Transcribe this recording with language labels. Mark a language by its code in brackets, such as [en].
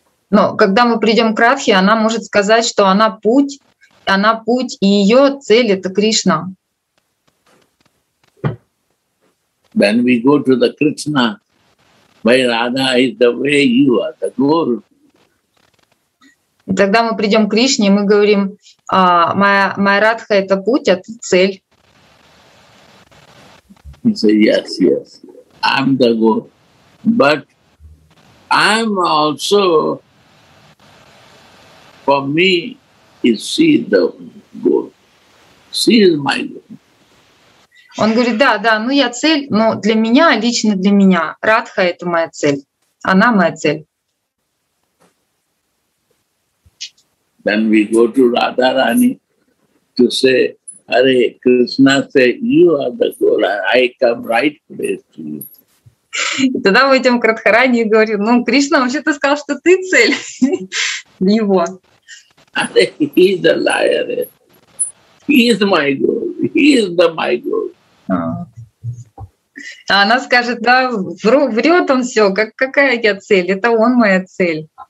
[ru] Но когда мы придем к Радхе, она может сказать, что она путь, и ее цель это Кришна. [en] When we go to the Krishna, my Radha is the way, you are the goal. [ru] И тогда мы придем к Кришне, и мы говорим, моя Радха — это путь, а ты цель. [en] He said, yes, yes, I'm the goal. But I'm also, for me, is she the goal. She is my goal. [ru] Он говорит, да, да, ну я цель, но для меня, лично для меня, Радха — это моя цель, она моя цель. [en] Then we go to Radharani to say, Hare Krishna, say, you are the goal, I come right place to you. [ru] И тогда мы идем к Радхарани и говорим, ну, Кришна вообще-то сказал, что ты цель его. [en] Hare, he is the liar. He is my goal. He is the my goal. [ru] А она скажет, да, врет он все, как, какая я цель, это он моя цель.